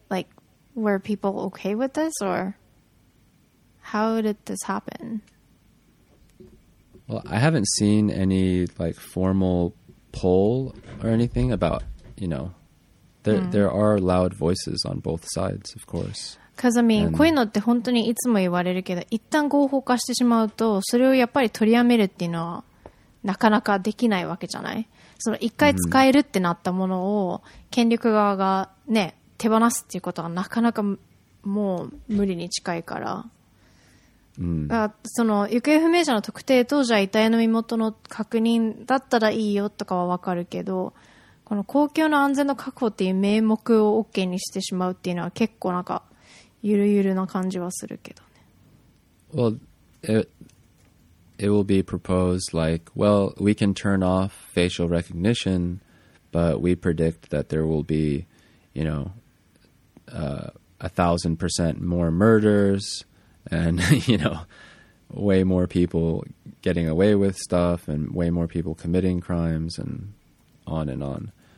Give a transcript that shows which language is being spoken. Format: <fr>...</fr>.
<en>Like, were people okay with this, or how did this happen? Well, I haven't seen any like formal poll or anything about, you know, there are loud voices on both sides, of course. Because, I mean,</en> <ja>こういうのって本当にいつも言われるけど、一旦合法化してしまうと、それをやっぱり取りやめるっていうのはなかなかできないわけじゃない。その一回使えるってなったものを権力側がね、手放すっていうことはなかなかもう無理に近いから。その行方不明者の特定と、じゃあ遺体の身元の確認だったらいいよとかは分かるけど、この公共の安全の確保っていう名目を OK にしてしまうっていうのは結構なんかゆるゆるな感じはするけどね。</ja> <en>Well, it will be proposed like, well, we can turn off facial recognition, but we predict that there will be, you know, 1,000% more murders and, you know, way more people getting away with stuff and way more people committing crimes and on and on.</en>